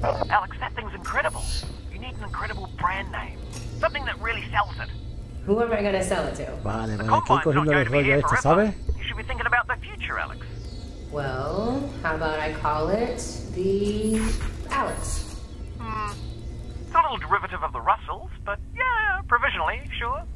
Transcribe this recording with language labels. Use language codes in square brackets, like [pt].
[en] Alex, that thing's incredible. You need an incredible brand name. Something that really sells it. Who am I gonna sell it to? [es] Vale, vale, estoy cogiendo el rollo esto, ¿sabes? [en] You should be thinking about the future, Alex. Well, how about I call it the Alex? It's not a little derivative of the Russells, but yeah, provisionally, sure.